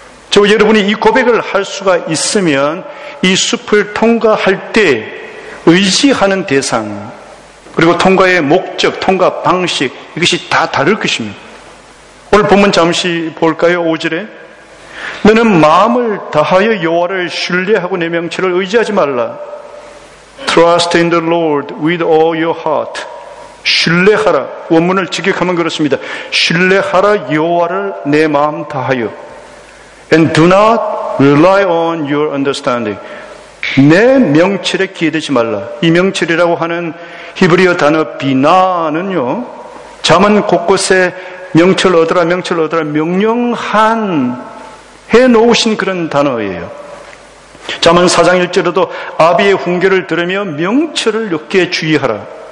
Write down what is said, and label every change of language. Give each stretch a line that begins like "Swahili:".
Korean: 저 여러분이 이 고백을 할 수가 있으면 이 숲을 통과할 때 의지하는 대상 그리고 통과의 목적, 통과 방식 이것이 다 다를 것입니다. 오늘 본문 잠시 볼까요? 5절에 너는 마음을 다하여 여호와를 신뢰하고 내 명철을 의지하지 말라.
English: Trust in the Lord with all your heart.
Korean: 신뢰하라. 원문을 직역하면 그렇습니다. 신뢰하라 여호와를 내 마음 다하여.
English: And do not rely on your understanding.
Korean: 내 명철에 기대지 말라. 이 명철이라고 하는 히브리어 단어 비나는요. 잠언 곳곳에 명철 얻으라 명철 얻으라 명령한 해놓으신 그런 단어예요. 잠언 4장 1절에도 아비의 훈계를 들으며 명철을 욕게 주의하라.